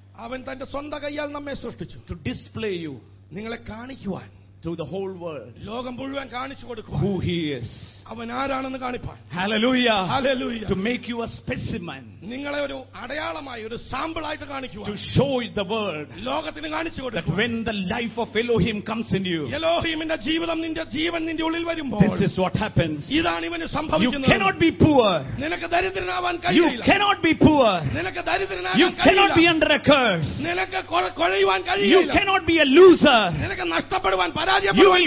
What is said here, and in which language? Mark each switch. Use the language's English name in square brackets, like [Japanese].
[Malayalam] അവൻ തന്റെ സ്വന്തം കയ്യാൽ നമ്മെ സൃഷ്ടിച്ചു. [English] To display you. [Malayalam] നിങ്ങളെ കാണിക്കുവാൻ. [English] To the whole world. [Malayalam] ലോകം മുഴുവൻ കാണിച്ചു കൊടുക്കുവാൻ. [English] Who he is. [Malayalam] അവൻ ആരാണെന്ന് കാണിപ്പാൻ. [English] Hallelujah. Hallelujah. To make you a specimen. [Malayalam] നിങ്ങളെ ഒരു അടയാളമായി ഒരു സാമ്പിൾ ആയിട്ട് കാണിക്കുവാൻ. [English] To show you the world. [Malayalam] ലോകത്തിന് കാണിച്ചു കൊടുക്കുക. [English] That when the life of Elohim comes in you. [Malayalam] എലോഹീമിന്റെ ജീവിതം നിന്റെ ജീവൻ നിന്റെ ഉള്ളിൽ വരുമ്പോൾ. [English] This is what happens. [Malayalam] ഇതാണ് ഇവന് സംഭവിക്കുന്നത്. [English] You cannot be poor. [Malayalam] നിനക്ക് ദരിദ്രനാവാൻ കഴിയില്ല. [English] You cannot be poor. [Malayalam] നിനക്ക് ദരിദ്രനാവാൻ കഴിയില്ല. [English] You cannot be under a curse. [Malayalam] നിനക്ക് കൊഴയുവാൻ കഴിയില്ല. [English] You cannot be a loser. [Malayalam] നിനക്ക് നഷ്ടപ്പെടുവാൻ പരാജയപ്പെടുവാൻ